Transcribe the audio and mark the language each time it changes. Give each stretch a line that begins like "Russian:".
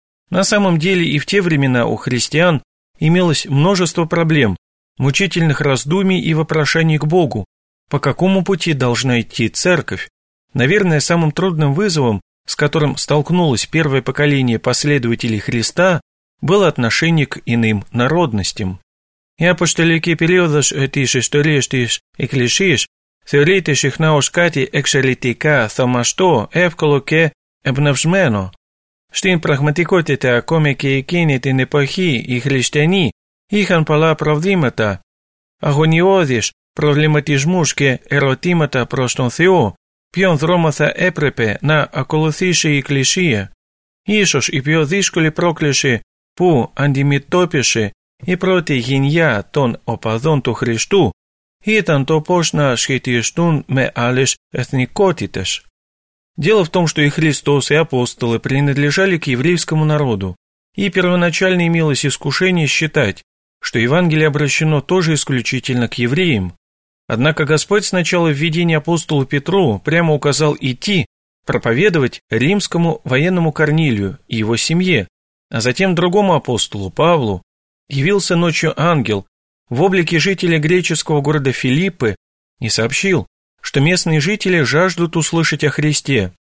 Russian: На самом деле и в те времена у христиан имелось множество проблем, мучительных раздумий и вопрошений к Богу, по какому пути должна идти Церковь. Наверное, самым трудным вызовом, с которым столкнулось первое поколение последователей Христа, было отношение к иным народностям. И апостольский период
Greek: Θεωρείται συχνά ως κάτι εξαιρετικά θαυμαστό, εύκολο και εμπνευσμένο. Στην πραγματικότητα, ακόμη και εκείνη την εποχή, οι χριστιανοί είχαν πολλά προβλήματα, αγωνιώδεις προβληματισμούς και ερωτήματα προς τον Θεό, ποιον δρόμο θα έπρεπε να ακολουθήσει η Εκκλησία. Ίσως η πιο δύσκολη πρόκληση που αντιμετώπισε η πρώτη γενιά των οπαδών του Χριστού ήταν το πώς να σχετιστούν με άλλες εθνικότητες.
Russian: Дело в том, что и Христос, и апостолы принадлежали к еврейскому народу, и первоначально имелось искушение считать, что Евангелие обращено тоже исключительно к евреям. Однако Господь сначала в видении апостолу Петру прямо указал идти, проповедовать римскому военному Корнилию и его семье, а затем другому апостолу, Павлу, явился ночью ангел, в облике жителя греческого города Филиппы и сообщил, что местные жители жаждут услышать о Христе.